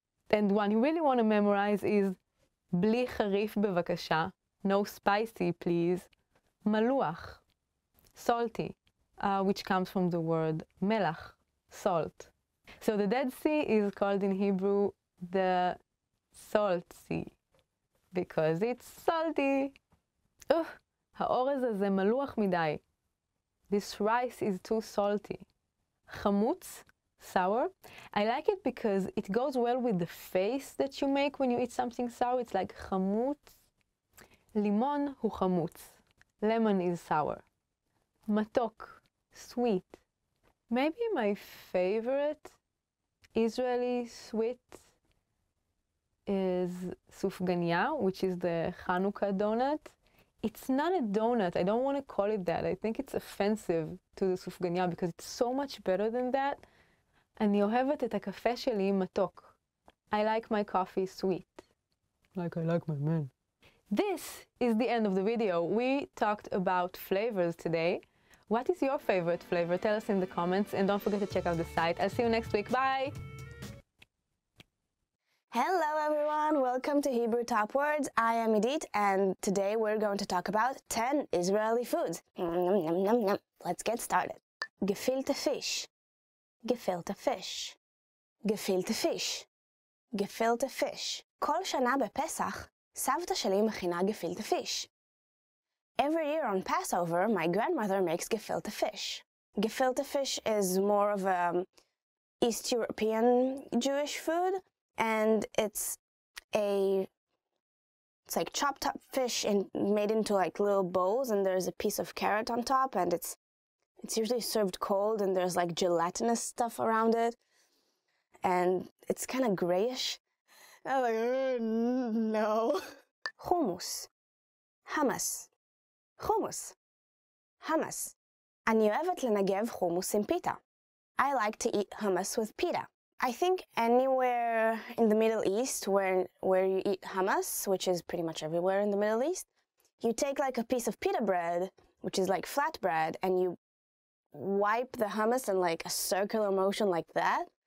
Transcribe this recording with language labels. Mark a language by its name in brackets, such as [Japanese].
[English] And one you really want to memorize is [Hebrew] בלי חריף בבקשה, [English] no spicy please, מלוח, salty, which comes from the word מלח, salt. So the Dead Sea is called in Hebrew the salt sea, because it's salty. [Hebrew] Ugh, האורז הזה מלוח מדי. [English] This rice is too salty. Chamutz, sour. I like it because it goes well with the face that you make when you eat something sour. It's like chamutz. [Hebrew] Limon hu chamutz. [English] Lemon is sour. Matok, sweet. Maybe my favorite Israeli sweet is sufganiya, which is the Hanukkah donut. It's not a donut. I don't want to call it that. I think it's offensive to the sufganiya because it's so much better than that. [Hebrew] אני אוהבת את הקפה שלי מתוק. [English] I like my coffee sweet. Like I like my men. This is the end of the video. We talked about flavors today. What is your favorite flavor? Tell us in the comments and don't forget to check out the site. I'll see you next week. Bye! Hello everyone, welcome to Hebrew Top Words. I am Edith and today we're going to talk about 10 Israeli foods. Nom, nom, nom, nom. Let's get started. Gefilte fish. Gefilte fish. Gefilte fish. Gefilte fish. [Hebrew] כל שנה בפסח, סבתא שלי מכינה gefilte fish. [English] Every year on Passover, my grandmother makes gefilte fish. Gefilte fish is more of a East European Jewish food. And it's like chopped up fish and made into like little bowls and there's a piece of carrot on top and it's usually served cold and there's like gelatinous stuff around it and it's kind of grayish. I'm like, no. Hummus. Hummus. Hummus. Hummus. [Hebrew] אני אוהבת לנגב חומוס עם פיטה. [English] I like to eat hummus with pita. I think anywhere in the Middle East where you eat hummus, which is pretty much everywhere in the Middle East, you take like a piece of pita bread, which is like flat bread, and you wipe the hummus in like a circular motion like that.